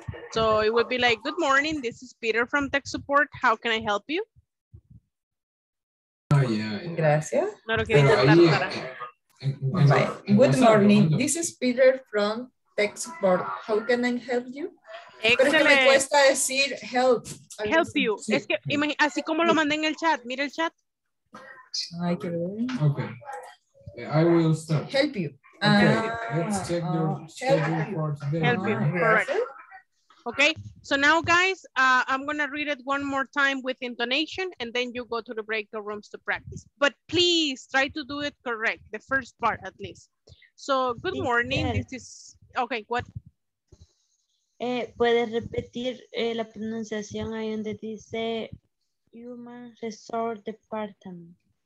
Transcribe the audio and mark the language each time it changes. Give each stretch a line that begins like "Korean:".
English: So it would be like, good morning, this is Peter from Tech Support. How can I help you? Oh, yeah.
Spanish: Gracias. No lo quería intentar. Ahí,
English: good morning, this is Peter from Tech Support. How can I help you?
Spanish: Excelente. Pero es que me cuesta decir help.
English: Help you. Sí.
Spanish: Es que imagina, así como lo mandé en el chat, mira el chat.
English: I can. Okay, I will start. Help you. Okay, let's check your schedule for today. Help you. Correct. Okay, so now, guys, I'm gonna read it one more time with intonation, and then you go to the breakout rooms to practice. But please try to do it correct, the first part at least. So, good morning. Yes. This is okay. What?
Spanish: Puedes repetir la pronunciación ahí donde dice Human Resource Department.